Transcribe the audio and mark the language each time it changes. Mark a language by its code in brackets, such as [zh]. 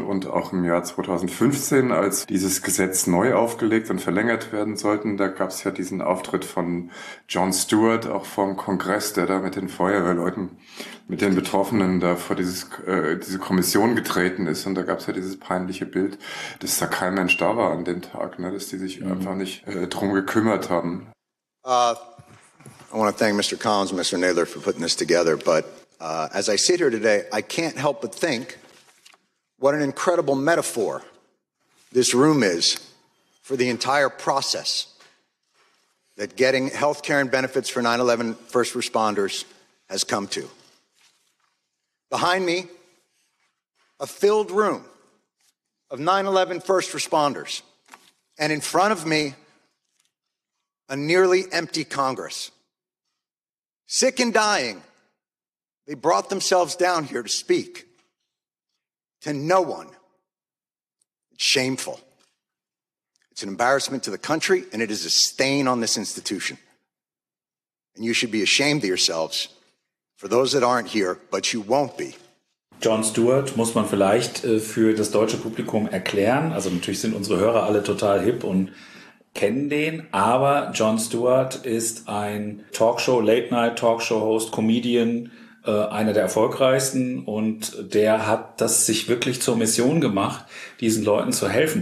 [de] Und auch im Jahr 2015, als dieses Gesetz neu aufgelegt und verlängert werden sollten, da gab es ja diesen Auftritt von John Stewart, auch vom Kongress, der da mit den Feuerwehrleuten, mit den Betroffenen da vor diese Kommission getreten ist. Und da gab es ja dieses peinliche Bild, dass da kein Mensch da war an dem Tag, ne? Dass die sich einfach nicht drum gekümmert haben. [en] I want to thank Mr. Collins and Mr. Naylor for putting this together, but as I sit here today, I can't help but think what an incredible metaphor this room is for the entire process that getting health care and benefits for 9/11 first responders has come to. Behind me, a filled room of 9/11 first responders, and in front of me, a nearly empty Congress. Sick and dying, they brought themselves down here to speak to no one. It's shameful. It's an embarrassment to the country, and it is a stain on this institution. And you should be ashamed of yourselves for those that aren't here, but you won't be. [de] John Stewart muss man vielleicht für das deutsche Publikum erklären. Also natürlich sind unsere Hörer alle total hip und kennen den, aber John Stewart ist ein Talkshow, Late-Night-Talkshow-Host, Comedian, einer der erfolgreichsten, und der hat das sich wirklich zur Mission gemacht, diesen Leuten zu helfen.